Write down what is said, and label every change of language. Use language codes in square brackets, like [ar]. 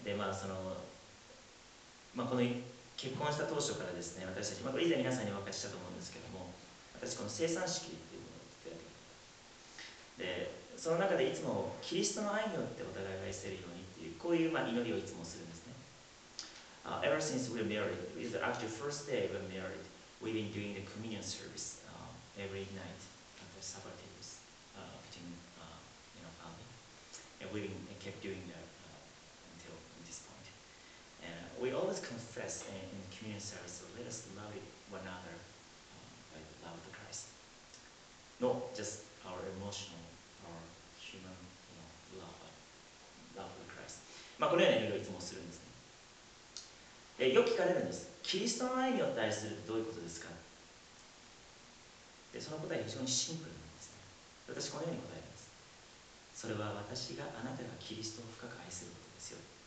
[ja] で、まあその、まあこの結婚した当初からですね、私たち、まあこれ以前皆さんにお分かりしたと思うんですけども、私この聖餐式っていうものを作ってる。で、その中でいつもキリストの愛によってお互いを愛せるようにっていう、こういうまあ祈りをいつもするんですね。 [en] Ever since we're married, is actually first day we're married. We've been doing the communion service every night at the supper tables between you know, family. And we've been, kept doing that until this point. And we always confess in communion service, so let us love one another by the love of the Christ. Not just our emotional, our human you know, love, but love of the Christ. [ja] まあこのようなことをいつもするんですね。で、よく聞かれるんです。キリストの愛によって愛するってどういうことですか。で、その答えは非常にシンプルなんですね。私このように答えます。それは私があなたがキリストを深く愛することですよ。